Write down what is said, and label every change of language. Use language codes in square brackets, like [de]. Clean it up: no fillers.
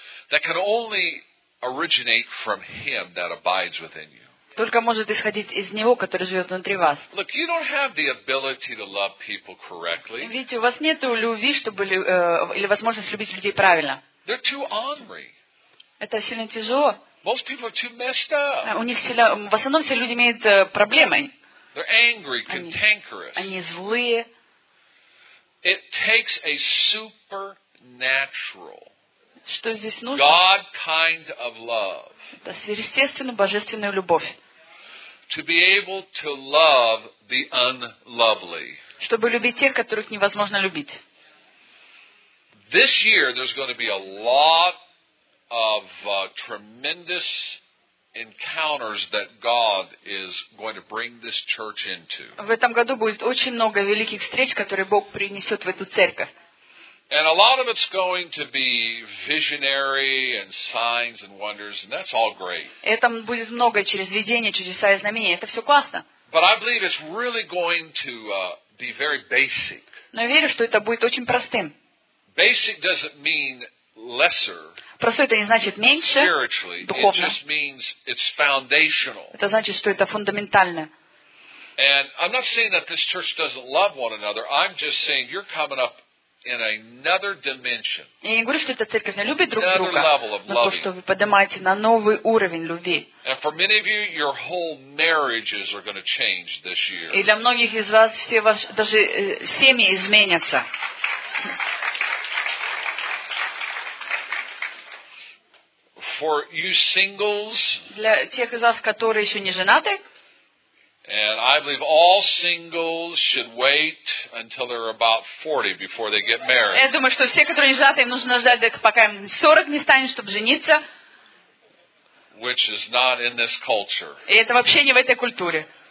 [en] That can only originate from Him that abides within you. [ru] Только может исходить из Него, который живет внутри вас. [en] Look, you don't have the ability to love people correctly. [ru] Видите, у вас нету любви, чтобы или возможность любить людей правильно. [en] They're too angry. [ru] Это сильно тяжело. [en] Most people are too messed up. [ru] У них в основном все люди имеют проблемы. [en] They're angry, cantankerous. [ru] Они злые. [en] It takes a supernatural. [ru] Что здесь нужно? [en] God kind of love. [ru] Это сверхъестественная божественная любовь. [en] To be able to love the unlovely. [ru] Чтобы любить тех, которых невозможно любить. [en] This year there's going to be a lot of tremendous encounters that God is going to bring this church into. [ru] В этом году будет очень много великих встреч, которые Бог принесет в эту церковь. [en] And a lot of it's going to be visionary and signs and wonders, and that's all great. [ru] Это будет много через видения, чудеса и знамения. Это все классно. [en] But I believe it's really going to be very basic. [ru] Но я верю, что это будет очень простым. [en] Basic doesn't mean lesser. [ru] Простой это не значит меньше. [en] Spiritually, [ru] духовно. [en] It just means it's foundational. [ru] Это значит, что это фундаментально. [en] And I'm not saying that this church doesn't love one another. I'm just saying you're coming up. In another dimension. [ru] Я не говорю, что эта церковь не любит друг друга, но то, что вы поднимаете на новый уровень любви. [en] And for many of you, your whole marriages are going to change this year. [ru] И для многих из вас все ваши даже семьи изменятся. [en] For you singles. [ru] Для тех из вас, которые еще не женаты. [en] And I believe all singles should wait until they're about 40 before they get married. [ru] Я думаю, что все, которые не женаты, им нужно ждать, пока им 40 не станет, чтобы жениться. [en] Which is not in this culture. [ru] И это вообще не в этой культуре.